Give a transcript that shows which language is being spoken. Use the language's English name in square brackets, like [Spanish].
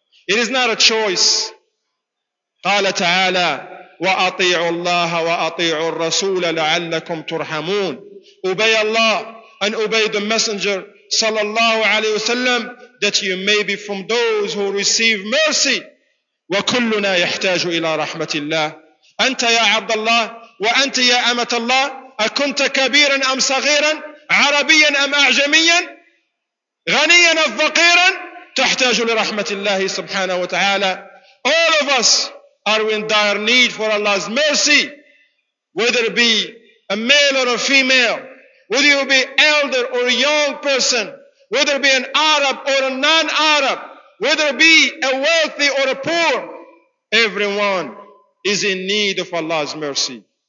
[English] It is not a choice. [Arabic] قال تعالى وَأَطِيعُوا اللَّهَ وَأَطِيعُوا الرَّسُولَ لَعَلَّكُمْ تُرْحَمُونَ. [English] Obey Allah and obey the messenger [Arabic] صلى الله عليه وسلم, [English] that you may be from those who receive mercy. [Arabic] وَكُلُّنَا يَحْتَاجُ إِلَىٰ رَحْمَةِ اللَّهِ. أنت يا عبد الله وأنت يا أمة الله, أكنت كبيرا أم صغيرا, عربيا أم أعجميا, غنيا أم فقيرا, تحتاج لرحمة الله سبحانه وتعالى. [English] All of us are in dire need for Allah's mercy, whether it be a male or a female, whether you be elder or a young person, whether it be an Arab or a non-Arab, whether it be a wealthy or a poor, everyone is in need of Allah's mercy.